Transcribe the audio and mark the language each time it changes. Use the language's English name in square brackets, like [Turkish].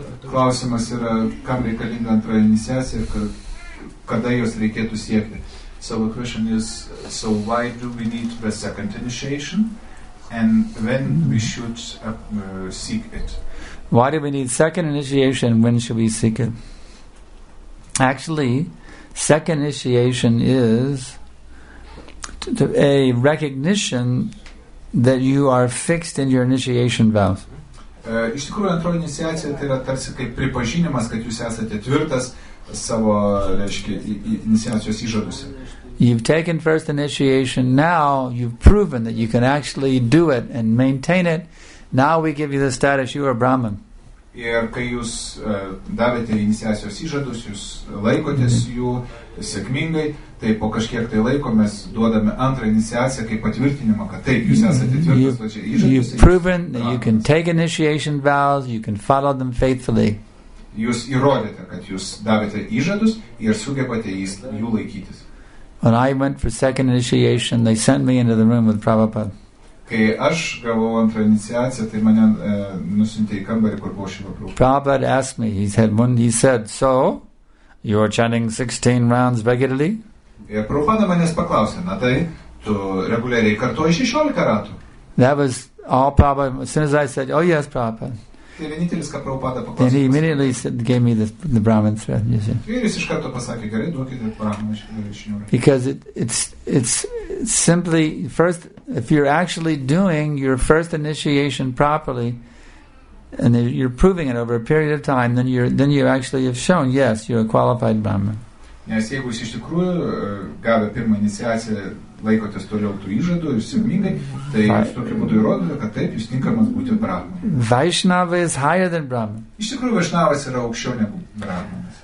[Lithuanian] Klausimas yra, kam reikalinga antra iniciacija ir kada jos reikėtų siekti. [English] So the question is, so why do we need the second initiation and when we should seek it? Why do we need second initiation and when should we seek it? Actually, second initiation is a recognition that you are fixed in your initiation vows. [Lithuanian] Iš tikrųjų, antroji iniciacija tai yra tarsi kaip pripažinimas, kad jūs esate tvirtas savo, iniciacijos įžaduose. [English] You've taken first initiation, now you've proven that you can actually do it and maintain it. Now we give you the status, you are Brahman. [Lithuanian] Ir kai jūs davėte iniciacijos įžadus, jūs laikotės jų sėkmingai, tai po kažkiek tai laiko mes duodame antrą iniciaciją kaip patvirtinimą, kad taip, jūs esate tvirtas pačiai įžadus. [English] You've proven that you can take initiation vows, you can follow them faithfully. [Lithuanian] Jūs įrodėte, kad jūs davėte įžadus ir sugebate jų laikytis. [English] When I went for second initiation, they sent me into the room with Prabhupada. [Lithuanian] Kai aš gavau antrą iniciaciją, tai mane nusintė į kambarį, kur buvo Šiva Prabhupada. [English] Prabhupada asked me, he said, so, you are chanting 16 rounds regularly? [Lithuanian] Ir Prabhupada manęs paklausė, na tai, tu reguliariai kartuoji 16 ratų. [English] That was all Prabhupada, as soon as I said, oh yes, Prabhupada. [Lithuanian] Tai vienintelis, ką Prabhupada paklausė. [English] Then he immediately said, gave me the Brahman thread, you see. [Lithuanian] Ir jis iš karto pasakė, gerai, duokite Brahman. [English] Because it's simply, first, if you're actually doing your first initiation properly, and you're proving it over a period of time, then you actually have shown, yes, you're a qualified Brahman. [Lithuanian] Nes jeigu jūs iš tikrųjų gavę pirmą iniciaciją, laikotės toliau tų įžadų ir sėkmingai, tai jūs tokiu būdu įrodote, kad taip, jūs tinkamas būti Brahman. [English] Vaishnava is higher than Brahman. [Lithuanian] Iš tikrųjų, Vaishnavas yra aukščiau negu Brahman.